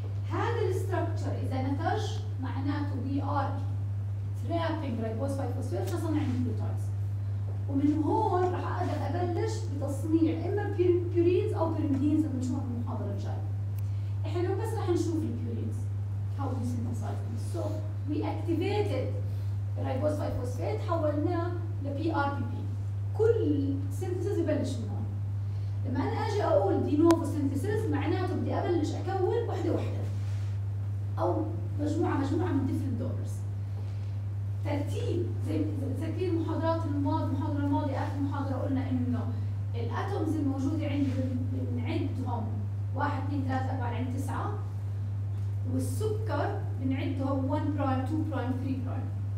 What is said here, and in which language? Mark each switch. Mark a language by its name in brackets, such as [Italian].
[Arabic] هذا الستركشر اذا نتج معناته بي ار [English] trapping ribose 5 phosphate [Arabic] تصنع نيوكليوتايدز. ومن هون راح اقدر ابلش بتصنيع اما بيورينز او بيرمدينز اللي بنشوفها في المحاضره الجايه. احنا بس راح نشوف البيورينز [English] how we synthesize them. So we activated ribose 5 phosphate [Arabic] حولناه ل PRPP. كل synthesis ببلش من هون. لما انا اجي اقول دي نوفو synthesis معناته بدي ابلش اكون وحده وحده او مجموعه مجموعه من [English] different donors. [Arabic] ترتيب زي تذكرين محاضرات الماضي محاضرة الماضية آخر محاضرة قلنا إنه الأتومز الموجودة عندي بنعدهم 1 2 3 4 يعني 9 والسكر بنعدهم 1 برايم 2 برايم 3 برايم.